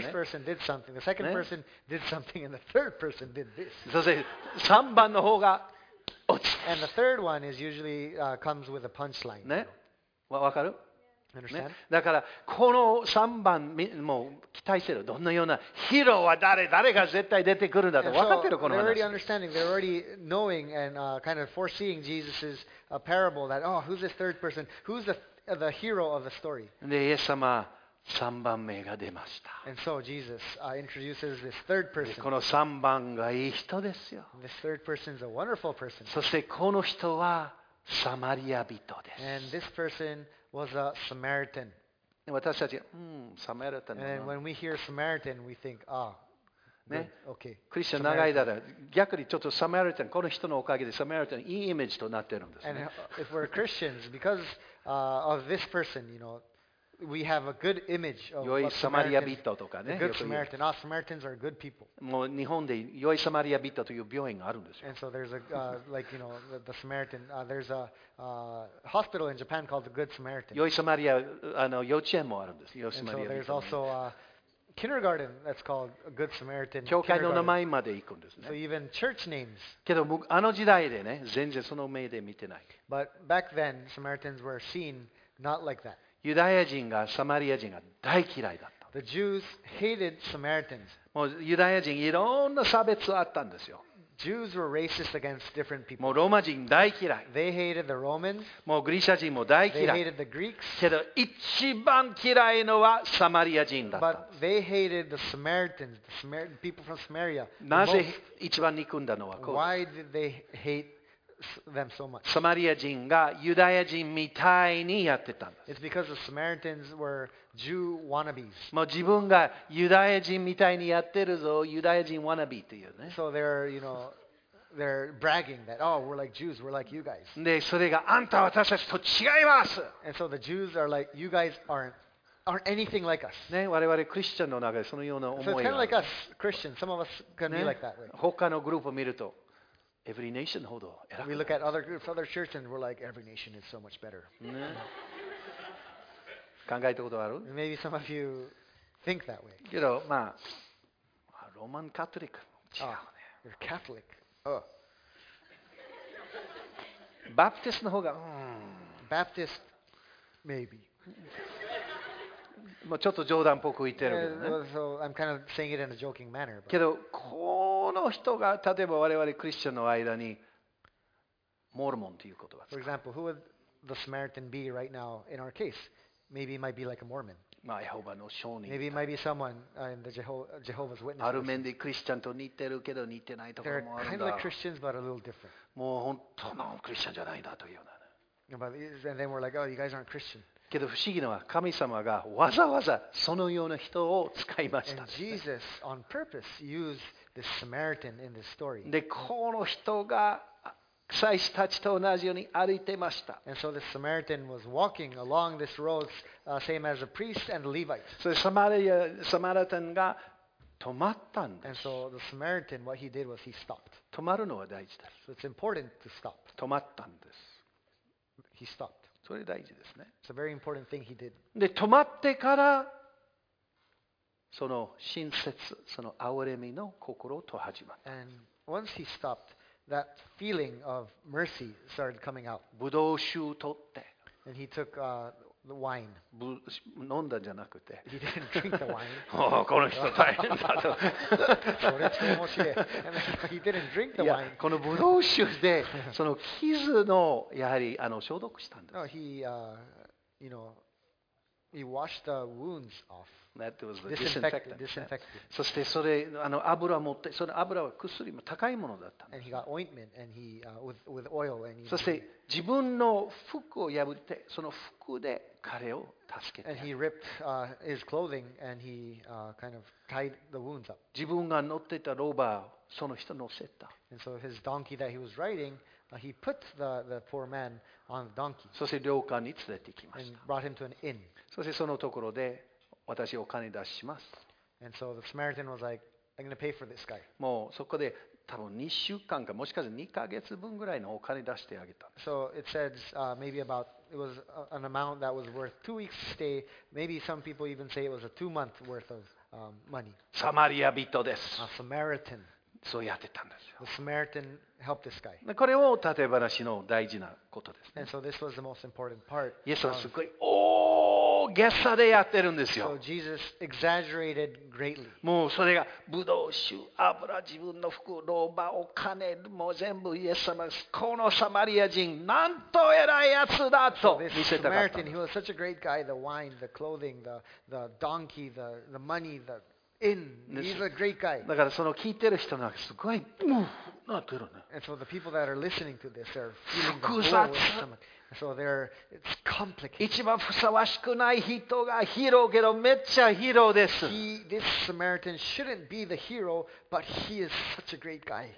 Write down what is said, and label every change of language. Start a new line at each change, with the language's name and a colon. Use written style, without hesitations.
English: The first person did something. The second person did something. And the third person did this.
Japanese: そして3番の方が落ちた。
English: And the third one is usually comes with a punchline.
Japanese: ね。わかる？
English: Understand?
Japanese: だからこの3番もう期待してる。どんなようなヒーローは誰が絶対出てくるんだと分かってる、この話。
English: They're already understanding. They're already knowing and kind of foreseeing Jesus's parable that, oh, who's this third person? Who's the hero of the story?
Japanese: で、イエス様、3番目が出ました。
English: And so Jesus introduces this third person.
Japanese: この3番がいい人ですよ。
English: This third person's a wonderful person.
Japanese: そしてこの人はサマリア人です。
English: And this personwas a Samaritan.
Japanese: 私たち、サマリア人。
English: And when we hear Samaritan, we think, ah,、oh,
Japanese: ね、
English: okay.
Japanese: クリスチャン長いだら、逆にちょっとサマリア人、この人のおかげでサマリア人、いいイメージとなってるんですね。
English: And if we're Christians, because of this person, you know, we have a good image of
Japanese: what サマリア人とかね。
English: A good Samaritan. All Samaritans are good people.
Japanese: もう日本で良いサマリア人という病院があるんですよ。
English: And so there's a, like, you know, the Samaritan, there's aahospital in Japan called the Good Samaritan.
Japanese: 良いサマリア、あの幼稚園もあるんです。良いサマリア人。
English: And so there's also Kindergarten, that's called a Good Samaritan.
Japanese: 教会の名前まで行くんですね。
English: So even church names.
Japanese: けど、あの時代でね、全然その目で見てない。
English: But back then, Samaritans were seen not like that.
Japanese: ユダヤ人がサマリア人が大嫌いだった。
English: The Jews hated Samaritans.
Japanese: もうユダヤ人いろんな差別あったんですよ。
English: Jews were racist against different people.
Japanese: もうローマ人大嫌い。
English: They hated the Romans.
Japanese: もうギリシャ人も大嫌い。
English: They hated the Greeks.
Japanese: けど一番嫌いのはサマリア人だった。
English: But they hated the Samaritans, the Samaritan people from Samaria.
Japanese: なぜ一番憎んだのはこう。
English: Why did they hate them so much?
Japanese: サマリア人がユダヤ人みたいにやってたんです。
English: It's because the Samaritans were Jew wannabes.
Japanese: もう自分がユダヤ人みたいにやってるぞ、ユダヤ人 wannabe っていうね。
English: So they're, you know, they're bragging that, oh, we're like Jews, we're like you guys.
Japanese: で、それがあんた私たちと違います。
English: And so the Jews are like, you guys aren't anything like us.
Japanese: ね、我々クリスチャンの中でそのような思いがある。
English: So it's kind of like us, Christians. Some of us can be like that.
Japanese: 他のグループを見ると、every nation ほど偉くない。
English: We look at other groups, other churches, and we're like, every nation is so much better.
Japanese: ね。考えたことある?
English: Maybe some of you think that way.
Japanese: けど、まあ、ローマンカトリック。違うね。
English: Oh, you're Catholic.
Japanese: バプティストの方が、
English: Baptist, maybe.
Japanese: もうちょっと冗談っぽく言ってるけどね。
English: Yeah, so I'm kind of saying it in a joking manner.
Japanese: けど、この人が例えば我々クリスチャンの間に、モルモンという言葉を使う。
English: For example, who would the Samaritan be right now in our case? Maybe it might be like a Mormon.
Japanese: Jehovah の証人。
English: Maybe it might be someone in the Jehovah's Witness.
Japanese: ある面でクリスチャンと似てるけど似てないところもあるんだ。
English: They're kind of like Christians, but a little different.
Japanese: もう本当のクリスチャンじゃないなというような。
English: And then we're like, oh, you guys aren't Christian.
Japanese: けど不思議のは神様がわざわざそのような人を使いました。
English: And Jesus, on purpose, used this Samaritan in this story.
Japanese: で、この人が祭司たちと同じように歩いてました。
English: And so the Samaritan was walking along this road, same as the priest and the Levite.
Japanese: So Samaritan が止まったんです。
English: And so the Samaritan, what he did was he stopped.
Japanese: 止まるのは大事です。
English: So it's important to stop.
Japanese: 止まったんです。
English: He stopped.
Japanese: それ大事ですね。
English: It's a very important thing he did.
Japanese: で、止まってからその親切、その憐れみの心と始まった。
English: And once he stoppedThat feeling of mercy started coming out.
Japanese: ブドウ酒を取って。
English: And he took the wine.
Japanese: 飲んだんじゃなくて。
English: He didn't drink the wine.
Japanese: Oh, この人大変だと。それちょっと面白い。
English: He didn't drink the wine.
Japanese: このブドウ酒でその傷のやはり消毒したんです。
English: No, he washed the wounds off. That was the disinfectant.
Japanese: そしてそれ油持って、その油は薬も高いものだったんです。
English: And he got ointment and he with oil and he.
Japanese: そして自分の服を破ってその服で彼を助けて。
English: And he ripped his clothing and he kind of tied the wounds up.
Japanese: 自分が乗ってたローバーをその人乗せた。
English: And so his donkey that he was riding, he put the poor man on the donkey.
Japanese: そして旅館に連れて行きました。
English: And brought him to an inn.
Japanese: そしてそのところで私お金出します。
English: And so the Samaritan was like, I'm going to pay for this guy.
Japanese: もうそこで多分2週間かもしかしたら2ヶ月分ぐらいのお金出してあげた。
English: So it says maybe about it was an amount that was worth 2 weeks stay. Maybe some people even say it was a 2 month worth of money.
Japanese: サマリア人です。
English: A Samaritan.
Japanese: そうやってたんですよ。
English: The Samaritan helped this guy.
Japanese: これを例え話の大事なことです、ね。
English: And so this was the most important part.
Japanese: イエスはすごい。ゲッサでやってるんですよ。
English: So Jesus exaggerated greatly.
Japanese: もうそれがブドウ酒、油、自分の服、ローバ、お金、もう全部イエス様、このサマリア人、なんと偉いやつだと見せたかった。
English: So、Samaritan, he was such a great guy. The wine, the clothing, the donkey, the money, the inn. He's a great guy.
Japanese: だからその聞いてる人なんかすごい、なってるね。
English: And so the people that are listening to this are feeling the whole of the stomach. So there, it's complicated.
Japanese: 一番ふさわしくない人がヒーローけどめっちゃヒーローです。
English: This Samaritan shouldn't be the hero, but he is such a great guy.